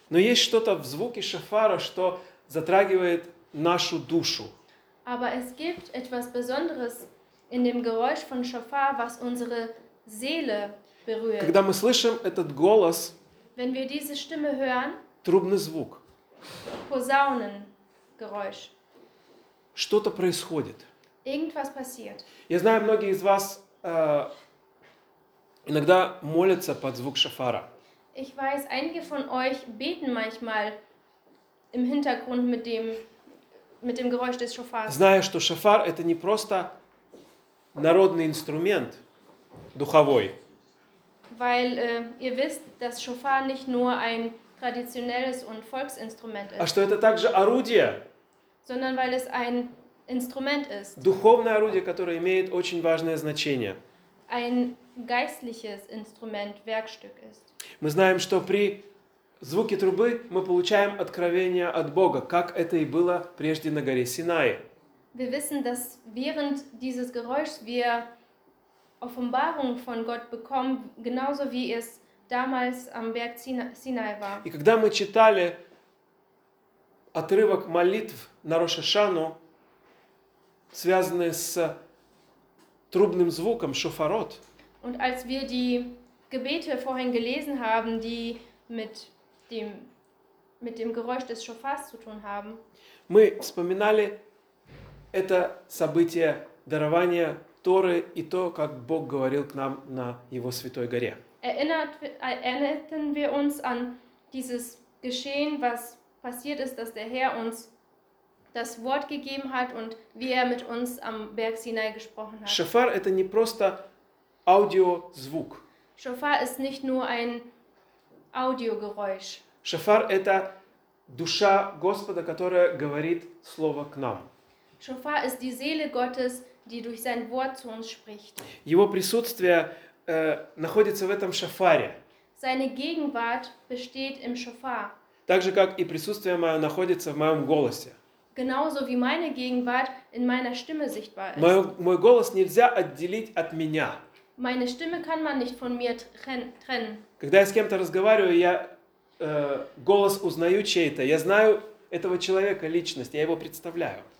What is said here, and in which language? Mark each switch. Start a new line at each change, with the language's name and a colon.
Russian: Но есть что-то в звуке шофара, что затрагивает нашу душу.
German: Aber es gibt etwas Besonderes in dem Geräusch von Schofar, was unsere Seele berührt.
Russian: Когда мы слышим этот голос,
German: Wenn wir diese Stimme hören,
Russian: трубный звук,
German: Posaunengeräusch,
Russian: что-то происходит.
German: Irgendwas passiert.
Russian: Я знаю, многие из вас иногда молятся под звук шофара.
German: Ich weiß, einige von euch beten manchmal im Hintergrund mit dem Geräusch des Schofars.
Russian: Зная, что шофар это не просто народный инструмент духовой.
German: Weil ihr wisst, dass Schofar nicht nur ein traditionelles und Volksinstrument ist.
Russian: А что это также орудие?
German: Sondern weil es ein Instrument ist.
Russian: Духовное орудие, которое имеет очень важное значение.
German: Ein geistliches Instrument, Werkstück ist.
Russian: Мы знаем, что при звуке трубы мы получаем откровение от Бога, как это и было прежде на горе Синай.
German: Wir wissen, dass während dieses Geräuschs wir Offenbarung von Gott bekommen, genauso wie es damals am Berg Sinai war.
Russian: И когда мы читали отрывок молитв на Рош ха-Шану, связанные с трубным звуком шофарот.
German: Und als wir die Gebete vorhin gelesen haben, die mit dem Geräusch des Schofars zu tun haben.
Russian: Мы вспоминали это событие дарования Торы и то, как Бог говорил к нам на его святой горе.
German: Erinnerten wir uns an dieses Geschehen, was passiert ist, dass der Herr uns das Wort gegeben hat und wie er mit uns am Berg Sinai gesprochen hat.
Russian: Шофар это не просто аудиозвук.
German: Шофар ist nicht nur ein Audiogeräusch.
Russian: Шофар это душа Господа, которая говорит слово к нам.
German: Шофар ist die Seele Gottes, die durch sein Wort zu uns spricht.
Russian: Его присутствие находится в этом шофаре.
German: Seine Gegenwart besteht im Schofar.
Russian: Так же как и присутствие мое находится в моем голосе.
German: Genauso wie meine Gegenwart in meiner Stimme sichtbar ist.
Russian: Мой голос нельзя отделить от меня.
German: Meine Stimme kann man nicht von mir trennen.
Russian: Когда я с кем-то разговариваю, я голос узнаю чей-то. Я знаю этого человека личность, я его представляю.